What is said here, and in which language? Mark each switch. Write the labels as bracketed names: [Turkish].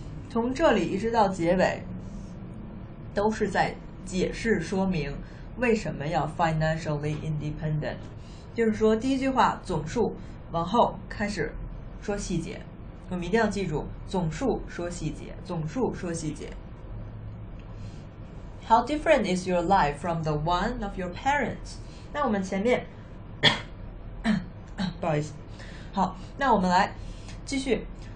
[Chinese] 从这里一直到结尾，都是在解释说明为什么要 financially independent， 就是说第一句话总数。往后开始说细节，我们一定要记住总数说细节，总数说细节。 [English] How different is your life from the one of your parents? [Chinese] 那我们前面不好意思，好，那我们来继续。